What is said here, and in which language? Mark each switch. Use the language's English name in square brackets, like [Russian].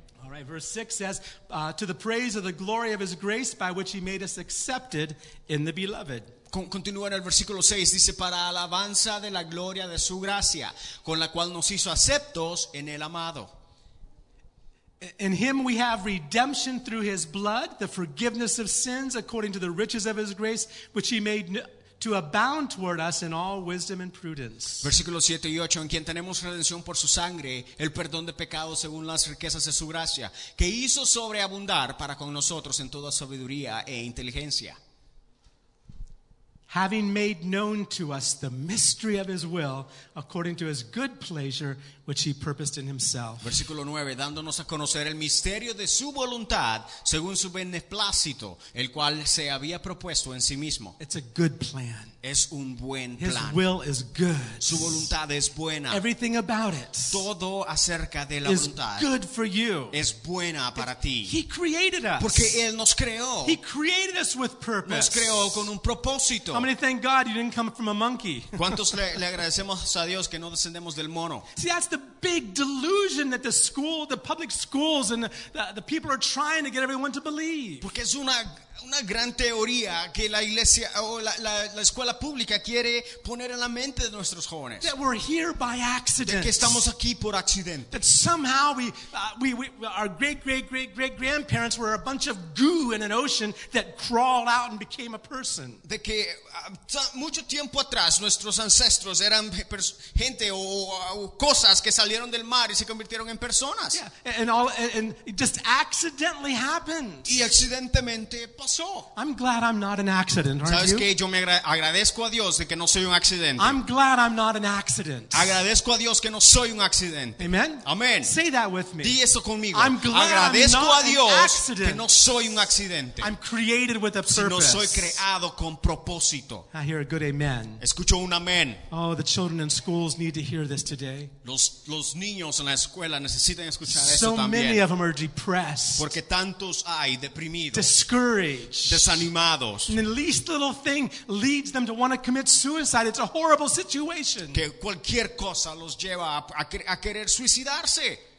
[English] All right, verse 6 says, to the praise of the glory of His grace by which He made us accepted in the Beloved. [Spanish] Continúa en el versículo 6, dice, para alabanza de la gloria de su gracia, con la cual nos hizo aceptos en el amado. [English] In him we have redemption through his blood, the forgiveness of sins according to the riches of his grace, which he made to abound toward us in all wisdom and prudence. [Spanish] Versículos 7 y 8, en quien tenemos redención por su sangre, el perdón de pecados según las riquezas de su gracia, que hizo sobreabundar para con nosotros en toda sabiduría e inteligencia. [English] Having made known to us the mystery of his will, according to his good pleasure, which he purposed in himself. [Spanish] Versículo 9, dándonos a conocer el misterio de su voluntad, según su beneplácito, el cual se había propuesto en sí mismo. [English] It's a good plan. [Spanish] Es un buen plan. [English] His will is good. [Spanish] Su voluntad es buena. [English] Everything about it. [Spanish] Todo acerca de la [English] is [Spanish] voluntad. [English] Good for you. [Spanish] Es buena para ti. [English] He created us. [Spanish] Porque él nos creó. [English] He created us with purpose. [Spanish] Nos creó con un propósito. [English] How many thank God you didn't come from a monkey? [Spanish] ¿Cuántos le agradecemos a Dios que no descendemos del mono? [English] See, that's the big delusion that the public schools and the people are trying to get everyone to believe. [Spanish] Porque es una gran teoría que la iglesia o la escuela pública quiere poner en la mente de nuestros jóvenes. [English] That we're here by accident. [Spanish] De que estamos aquí por accidente. [English] That somehow we our great great great great grandparents were a bunch of goo in an ocean that crawled out and became a person. [Spanish] De que mucho tiempo atrás nuestros ancestros eran gente o cosas que salieron del mar y se convirtieron en personas. [English] Yeah, and it just accidentally happened. [Spanish] Y accidentalmente pasó. [English] I'm glad I'm not an accident, aren't you? [Spanish] ¿Sabes qué? Yo me agradezco a Dios de que no soy un accidente. [English] I'm glad I'm not an accident. [Spanish] Agradezco a Dios que no soy un accidente. [English] Amen. [Spanish] Amen. [English] Say that with me. [Spanish] Di eso conmigo. [English] I'm glad [Spanish] agradezco [English] I'm not [Spanish] a Dios [English] an accident. [Spanish] Que no soy un accidente. [English] I'm created with a purpose. [Spanish] Sino soy creado con propósito. [English] I hear a good amen. [Spanish] Escucho un amén. [English] Oh, the children in schools need to hear this today. [Spanish] Los niños en la escuela necesitan escuchar [English] so [Spanish] esto también. [English] So many of them are depressed. [Spanish] Porque tantos hay deprimidos. [English] Discouraged. [Spanish] Desanimados. [English] And the least little thing leads them to want to commit suicide. It's a horrible situation. [Spanish] Que cualquier cosa los lleva a querer suicidarse.